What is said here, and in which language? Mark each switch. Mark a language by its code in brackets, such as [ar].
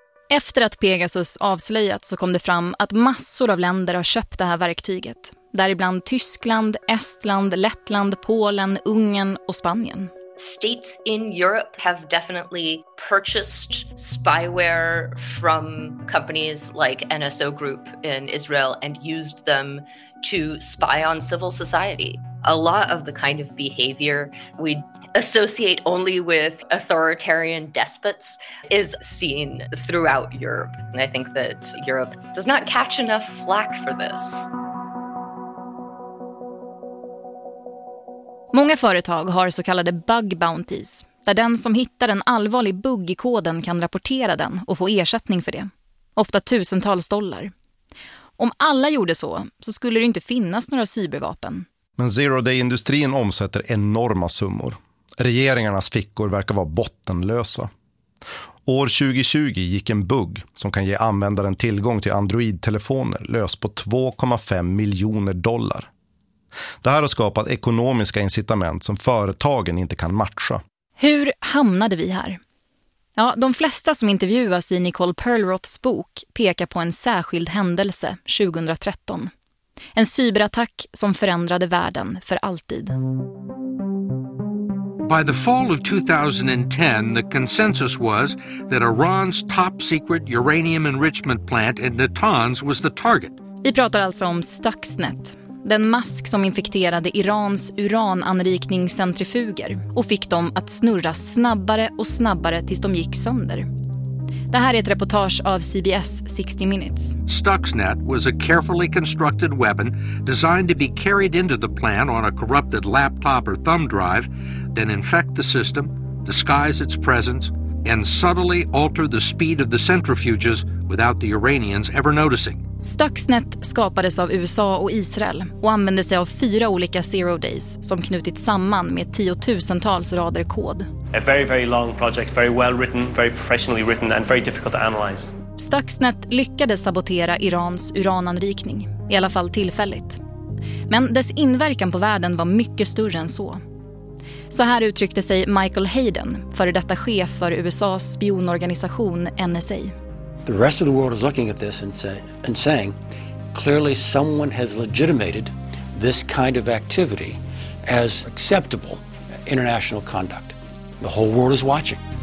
[sv] Efter att Pegasus avslöjats så kom det fram att massor av länder har köpt det här verktyget. Däribland Tyskland, Estland, Lettland, Polen, Ungern och Spanien. [en] States in Europe have definitely purchased spyware from companies like NSO Group in Israel and used them to spy on civil society. A lot of the kind of behavior we associate only with authoritarian despots is seen throughout Europe. And I think that Europe does not catch enough flack for this. [sv] Många företag har så kallade bug bounties, där den som hittar en allvarlig bugg i koden kan rapportera den och få ersättning för det. Ofta tusentals dollar. Om alla gjorde så, så skulle det inte finnas några cybervapen. Men Zero Day-industrin omsätter enorma summor. Regeringarnas fickor verkar vara bottenlösa. År 2020 gick en bugg som kan ge användaren tillgång till Android-telefoner lös på 2,5 miljoner dollar. Det här har skapat ekonomiska incitament som företagen inte kan matcha. Hur hamnade vi här? Ja, de flesta som intervjuas i Nicole Perlroths bok pekar på en särskild händelse 2013. En cyberattack som förändrade världen för alltid. [en] By the fall of 2010, the consensus was that Iran's top secret uranium enrichment plant in Natanz was the target. [sv] Vi pratar alltså om Stuxnet, den mask som infekterade Irans urananrikningscentrifuger och fick dem att snurra snabbare och snabbare tills de gick sönder. Det här är ett reportage av CBS 60 Minutes. [en] Stuxnet was a carefully constructed weapon designed to be carried into the plant on a corrupted laptop or thumb drive, then infect the system, disguise its presence and subtly alter the speed of the centrifuges without the Iranians ever noticing. [sv] Stuxnet skapades av USA och Israel och använde sig av fyra olika zero days som knutits samman med tiotusentals rader kod. [en] A very, very long project, very well written, very professionally written and very difficult to analyze. [sv] Stuxnet lyckades sabotera Irans urananrikning, i alla fall tillfälligt. Men dess inverkan på världen var mycket större än så. Så här uttryckte sig Michael Hayden, före detta chef för USA:s spionorganisation NSA. [en] The rest of the world is looking at this and saying clearly someone has legitimated this kind of activity as acceptable international conduct. The whole world is watching.